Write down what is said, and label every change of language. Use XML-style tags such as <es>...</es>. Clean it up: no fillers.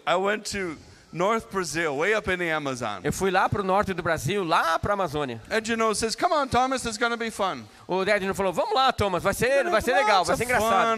<en>I went to North Brazil, way up in the Amazon.</en> <pt>Eu fui lá pro norte do Brasil, lá pra Amazônia.</pt> <en>Edno says, "Come on, Thomas, it's going to be fun."</en> <pt>O Edno falou, "Vamos lá, Thomas, vai ser legal, vai ser engraçado."</pt>